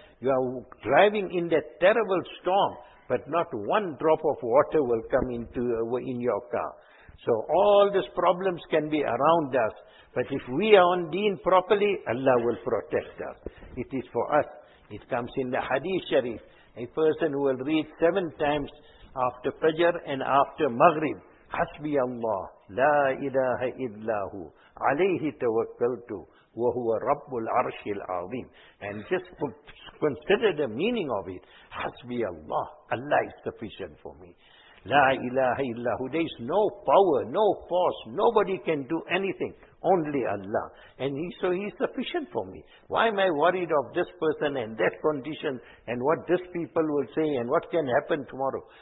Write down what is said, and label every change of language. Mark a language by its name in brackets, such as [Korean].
[English] You are driving in that terrible storm, but not one drop of water will come into in your car. So all these problems can be around us, but if we are on deen properly, Allah will protect us. It is for us. It comes in the Hadith Sharif. A person who will read 7 times after Fajr and after Maghrib, [Arabic] حسبي الله لا إله إلا هو عليه توكلت وهو رب العرش العظيم. [English] And just consider the meaning of it. [Arabic] حسبي الله, [English] Allah is sufficient for me. [Arabic] لا إله إلا هو, [English] there is no power, no force, nobody can do anything, only Allah. And he is sufficient for me. Why am I worried of this person and that condition and what this people will say and what can happen tomorrow?